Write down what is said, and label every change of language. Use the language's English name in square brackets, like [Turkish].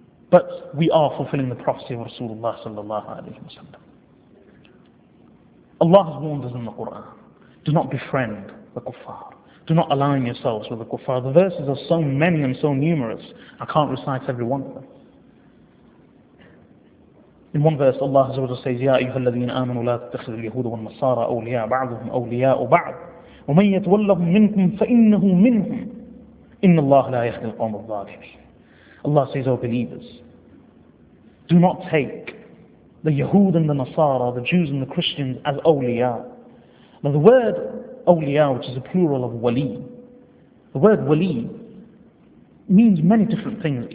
[English] But we are fulfilling the prophecy of Rasulullah sallallahu alayhi wa sallam. Allah has warned us in the Quran, do not befriend the kuffar. Do not align yourselves with the kuffar. The verses are so many and so numerous, I can't recite every one of them. In one verse, Allah says, [Arabic] يَا أَيُّهَا الَّذِينَ آمَنُوا لَا تَتَّخِذُ الْيَهُودَ وَالنَّصَارَى أَوْلِيَاءَ بَعْضُهُمْ أَوْلِيَاءُ بَعْضٍ وَمَنْ يَتْوَلَّهُمْ مِنْكُمْ فَإِنَّهُ مِنْهُمْ إِنَّ اللَّهَ لَا يَهْدِي الْقَوْمَ الظَّالِمِينَ. [English] Allah says, O believers, do not take the Yahud and the Nasara, the Jews and the Christians, as awliya. Now the word awliya, which is a plural of wali, the word wali means many different things.